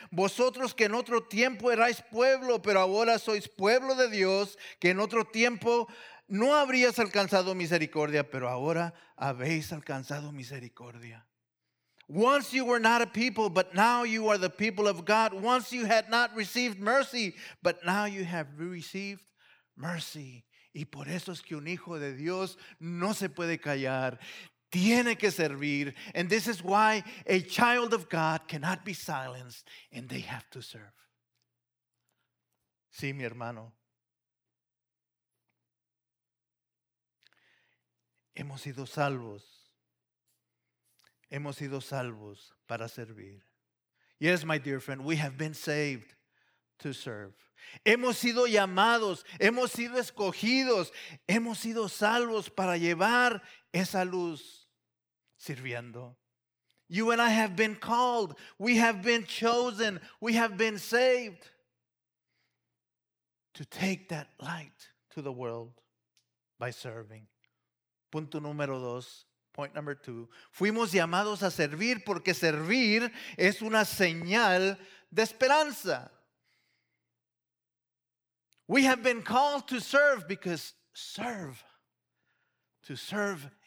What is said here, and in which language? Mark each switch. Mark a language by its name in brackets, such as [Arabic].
[Spanish] Vosotros que en otro tiempo erais pueblo, pero ahora sois pueblo de Dios, que en otro tiempo no habrías alcanzado misericordia, pero ahora habéis alcanzado misericordia. [English] Once you were not a people, but now you are the people of God. Once you had not received mercy, but now you have received mercy. [Spanish] Y por eso es que un hijo de Dios no se puede callar, tiene que servir. [English] And this is why a child of God cannot be silenced, and they have to serve. [Spanish] Sí, mi hermano. Hemos sido salvos. Hemos sido salvos para servir. [English] Yes, my dear friend, we have been saved to serve. [Spanish] Hemos sido llamados, hemos sido escogidos, hemos sido salvos para llevar esa luz sirviendo. [English] You and I have been called, we have been chosen, we have been saved to take that light to the world by serving. [Spanish] Punto número dos, [English] point number two. [Spanish] Fuimos llamados a servir porque servir es una señal de esperanza. [English] We have been called to serve because to serve